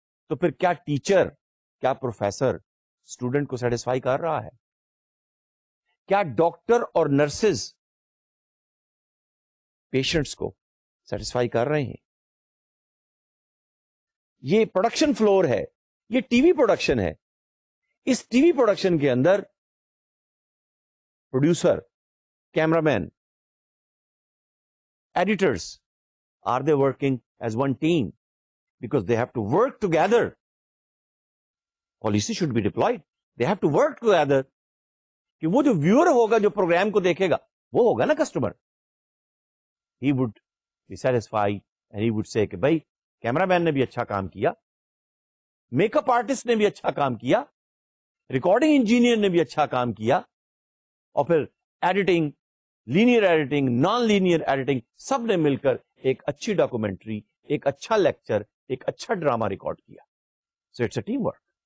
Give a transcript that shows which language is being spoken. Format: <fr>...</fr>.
<ur>تو پھر کیا ٹیچر کیا پروفیسر اسٹوڈنٹ کو سیٹسفائی کر رہا ہے؟ کیا ڈاکٹر اور نرسز پیشنٹس کو سیٹسفائی کر رہے ہیں؟ یہ پروڈکشن فلور ہے, یہ ٹی وی پروڈکشن ہے. اس ٹی وی پروڈکشن کے اندر producer, cameraman, editors,</ur> <en>Are they working as one team because they have to work together. Policy should be deployed, they have to work together</en> <ur>کہ وہ جو ویور ہوگا جو programme کو دیکھے گا وہ ہوگا نا customer,</ur> <en>he would be satisfy and he would say</en> <ur>کہ بھائی کیمرامین نے بھی اچھا کام کیا, میک اپ آرٹسٹ نے بھی اچھا کام کیا, ریکارڈنگ انجینئر نے بھی اچھا کام کیا, اور پھر editing, linear editing, non linear editing, سب نے مل کر ایک اچھی ڈاکومنٹری, ایک اچھا لیکچر, ایک اچھا ڈرامہ ریکارڈ کیا.</ur> <en>So it's a team work.</en>